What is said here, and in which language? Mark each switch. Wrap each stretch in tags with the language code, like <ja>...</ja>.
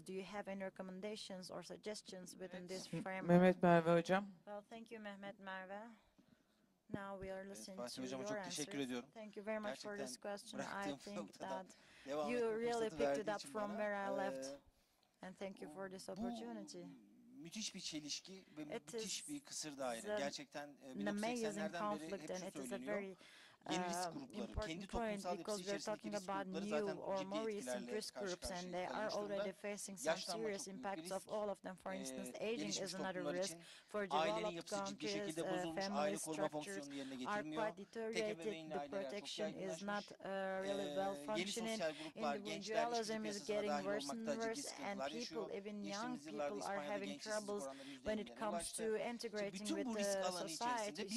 <en>Do you have any recommendations or suggestions within this framework?</en> <tr>Mehmet Merve Hocam.</tr> <en>Well, thank you, Mehmet Merve. Now we are listening to your answers. Thank you very much for this question. I think that you really picked it up from where I left. And thank you for this opportunity.</en> <tr>Müthiş bir çelişki ve müthiş bir kısır daire. Gerçekten 1980'lerden beri hep söyleniyor. Yeni risk grupları, kendi toplumsal yapısı içerisindeki risk grupları zaten ciddi etkilerle karşı karşıya kalmış durumda.</tr> <en>And they are already facing some serious impacts of all of them. For instance, aging is another risk for developed countries. Family structures are quite deteriorated. The protection is not really well functioning. Individualism is getting worse and worse, and people, even young people, are having troubles when it comes to integrating with the society.</en>